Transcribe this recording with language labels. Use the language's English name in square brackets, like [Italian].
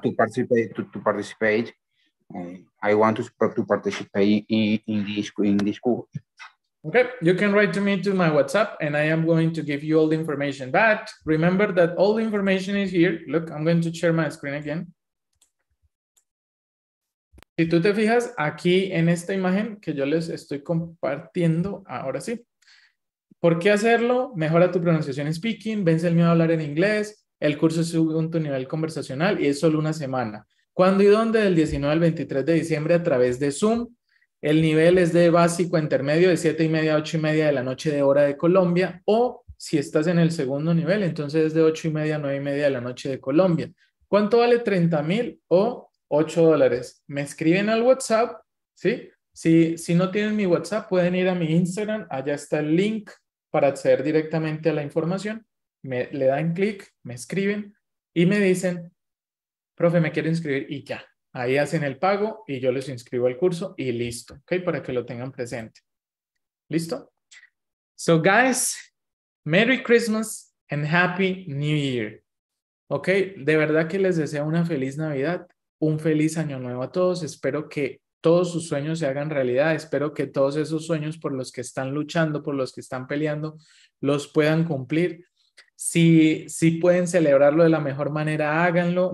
[English] To participate. I want to participate in this course. Okay, you can write to me to my WhatsApp and I am going to give you all the information. But remember that all the information is here. Look, I'm going to share my screen again. [Spanish] Si tú te fijas aquí en esta imagen que yo les estoy compartiendo ahora sí. ¿Por qué hacerlo? Mejora tu pronunciación speaking, vence el miedo a hablar en inglés, el curso sube tu nivel conversacional y es solo una semana. ¿Cuándo y dónde? Del 19 al 23 de diciembre a través de Zoom. El nivel es de básico a intermedio de 7:30 a 8:30 de la noche de hora de Colombia, o si estás en el segundo nivel, entonces es de 8:30 a 9:30 de la noche de Colombia. ¿Cuánto vale? $30,000 o $8. Me escriben al WhatsApp, ¿sí? Si no tienen mi WhatsApp, pueden ir a mi Instagram. Allá está el link para acceder directamente a la información. Le dan clic, me escriben y me dicen, profe, me quiero inscribir, y ya. Ahí hacen el pago y yo les inscribo al curso y listo. ¿Ok? Para que lo tengan presente. ¿Listo? [English] So, guys, Merry Christmas and Happy New Year. [Spanish] ¿Ok? De verdad que les deseo una feliz Navidad. Un feliz Año Nuevo a todos. Espero que todos sus sueños se hagan realidad. Espero que todos esos sueños por los que están luchando, por los que están peleando, los puedan cumplir. Si pueden celebrarlo de la mejor manera, háganlo.